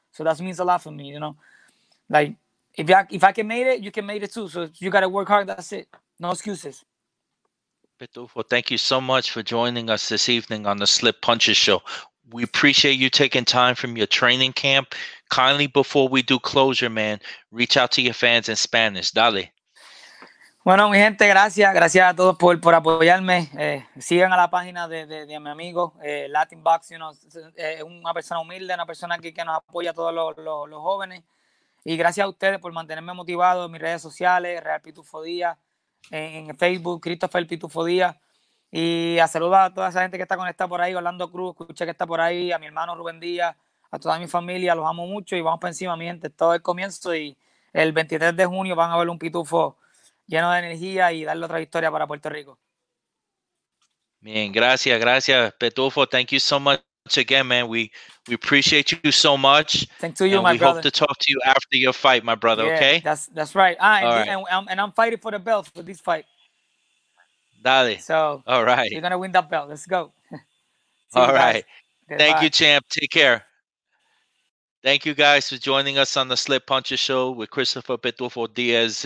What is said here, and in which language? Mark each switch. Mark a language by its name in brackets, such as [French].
[English] So that means a lot for me, you know. Like, if I can make it, you can make it too. So you got to work hard. That's it. No excuses. Pitufo, thank you so much for joining us this evening on the Slip Punches Show. We appreciate you taking time from your training camp. Kindly, before we do closure, man, reach out to your fans in Spanish. [Spanish] Dale. Bueno, mi gente, gracias. Gracias a todos por apoyarme. Sigan a la página de mi amigo, Latin Box. You know, una persona humilde, una persona que nos apoya a todos los jóvenes. Y gracias a ustedes por mantenerme motivado en mis redes sociales, Real Pitufo Díaz. En Facebook, Christopher Pitufo Díaz. Y a saludar a toda esa gente que está conectada por ahí, Orlando Crew, escucha que está por ahí, a mi hermano Rubén Díaz, a toda mi familia, los amo mucho y vamos para encima, mi gente. Todo el comienzo y el 23 de junio van a ver un Pitufo lleno de energía y darle otra victoria para Puerto Rico. Bien, gracias, gracias, Pitufo. [English] Thank you so much again, man. We appreciate you so much. Thanks to you, my brother. We hope to talk to you after your fight, my brother, yeah, okay? That's right. And I'm fighting for the belt for this fight. [Spanish] Dale. [English] So, all right. You're going to win that belt. Let's go. All right. Thank you, champ. Take care. Thank you guys for joining us on the Slip Puncher Show with Christopher Pitufo Diaz.